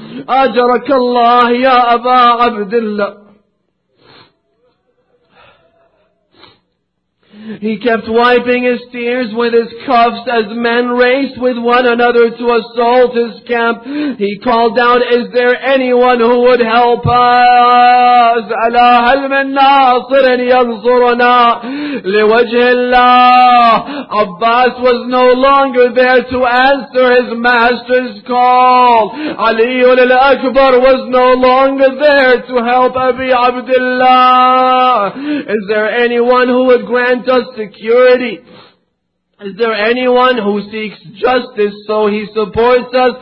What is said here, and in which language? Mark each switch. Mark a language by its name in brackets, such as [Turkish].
[Arabic] أجرك الله يا أبا عبد الله. [English] He kept wiping his tears with his cuffs as men raced with one another to assault his camp. He called out, "Is there anyone who would help us?" [Arabic] ألا هل من ناصر ينصرنا لوجه الله. [English] Abbas was no longer there to answer his master's call. Aliul Akbar was no longer there to help Abi Abdullah. Is there anyone who would grant us security? Is there anyone who seeks justice so he supports us?